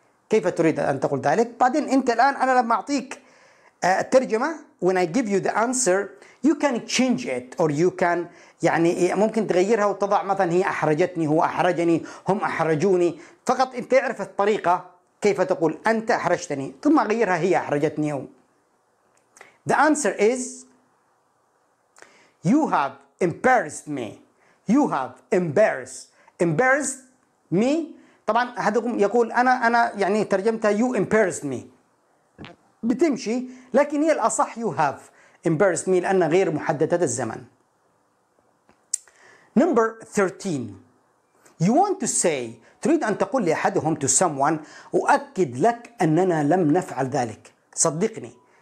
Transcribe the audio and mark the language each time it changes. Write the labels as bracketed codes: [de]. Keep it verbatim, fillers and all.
[ar] كيف تريد أن تقول ذلك؟ بعدين أنت الآن أنا لما أعطيك الترجمة [en] when I give you the answer you can [ar] change it or you can يعني ممكن تغيرها وتضع مثلا هي أحرجتني، هو أحرجني، هم أحرجوني. فقط أنت تعرف الطريقة كيف تقول أنت أحرجتني، ثم غيرها هي أحرجتني. هو [en] the answer is you have embarrassed me you have embarrassed embarrassed me. [ar] طبعا أحدكم يقول أنا أنا يعني ترجمتها [en] you embarrassed me [ar] بتمشي، لكن هي الأصح [en] you have embarrassed me [ar] لأنها غير محددة الزمن. [en] number thirteen you want to say [ar] تريد أن تقول لأحدهم [en] to someone [ar] أؤكد لك أننا لم نفعل ذلك، صدقني.